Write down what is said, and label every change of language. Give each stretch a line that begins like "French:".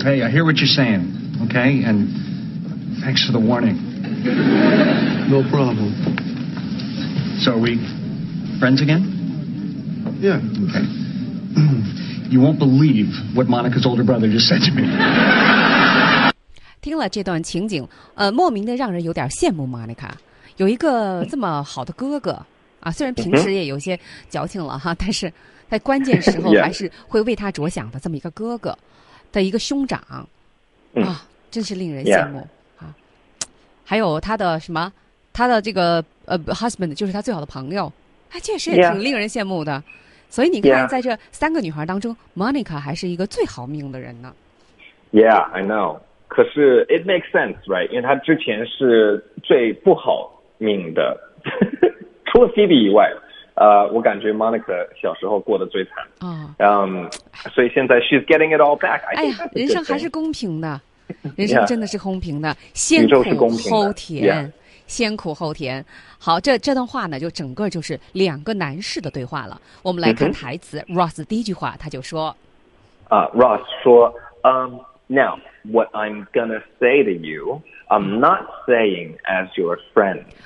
English: Hey, I hear what you're saying. Okay, and thanks for the warning. No problem. So are we friends again? Yeah. Okay. You won't believe what Monica's older brother just said to me.
Chinese: 听了这段情景，莫名的让人有点羡慕 Monica， 有一个这么好的哥哥啊，虽然平时也有些矫情了哈，但是在关键时候还是会为他着想的这么一个哥哥的一个兄长啊。真是令人羡慕、
English: yeah. 啊！
Chinese: 还有他的什么，他的这个husband 就是他最好的朋友，哎，确实也挺令人羡慕的。
English: Yeah.
Chinese: 所以你看，在这三个女孩当中 ，Monica 还是一个最好命的人呢。
English: Yeah, I know.
Chinese: 可是
English: it makes sense, right?
Chinese: 因为他之前是最不好命的，除了 Phoebe 以外，我感觉 Monica 小时候过得最惨啊。所以现在
English: she's getting it all back.
Chinese: 哎呀，人生还是公平的。人生真的是公平的，先苦后甜，先苦后甜。好，这段话呢，就整个就是两个男士的对话了。我们来看台词 ，Ross 第一句话他就说：“
English: 啊、，Ross 说，Now what I'm gonna say to you, I'm not saying as your friend。